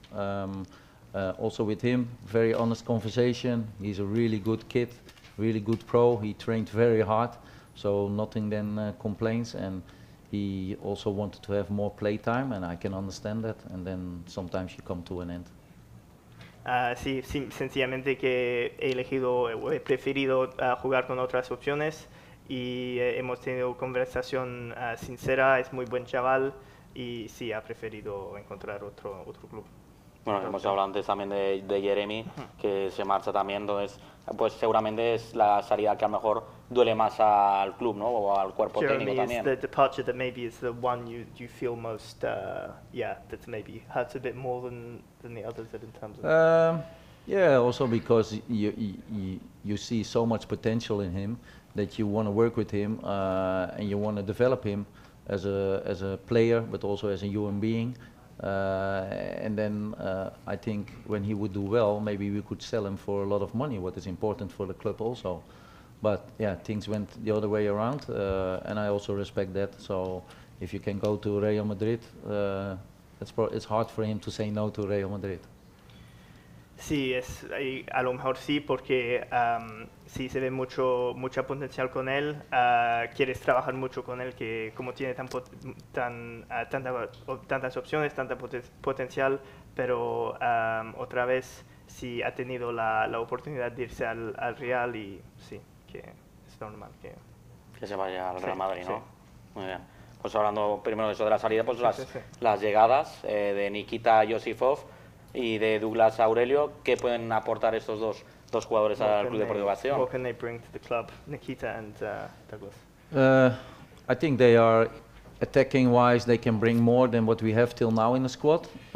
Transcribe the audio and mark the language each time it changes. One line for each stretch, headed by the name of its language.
English: Also with him, very honest conversation. He's a really good kid, really good pro. He trained very hard. So nothing then complains, and he also wanted to have more play time, and I can understand that. And then sometimes you come to an end.
Spanish: Sí, sí, sencillamente que he elegido, he preferido jugar con otras opciones, y hemos tenido conversación sincera. Es muy buen chaval, y sí, ha preferido encontrar otro club. Bueno, hemos hablado antes también de Jeremy, que se marcha también, entonces, pues seguramente es la salida que a lo mejor duele más al club, ¿no? O al cuerpo Jeremy técnico también.
English: Jeremy is the departure that maybe is the one you feel most, that maybe hurts a bit more than the others in terms of... Also because you see so much potential in him that you want to work with him and you want to develop him as a player, but also as a human being. And then I think when he would do well, maybe we could sell him for a lot of money, what is important for the club also. But yeah, things went the other way around, and I also respect that. So if you can go to Real Madrid, it's hard for him to say no to Real Madrid.
Spanish: Sí, es a lo mejor sí, porque sí se ve mucho potencial con él. Quieres trabajar mucho con él, que como tiene tantas opciones, tanta potencial, pero otra vez sí ha tenido la oportunidad de irse al Real y sí, que es normal que se vaya al Real Madrid, ¿no? Sí. Muy bien. Pues hablando primero de eso de la salida, pues las llegadas de Nikita Yosifov y de Douglas Aurelio, ¿qué pueden aportar estos dos jugadores al Club Deportivo Castellón?
English: What can they bring to the club, Nikita and Douglas? I think they are attacking wise, they can bring more than what we have till now in the squad.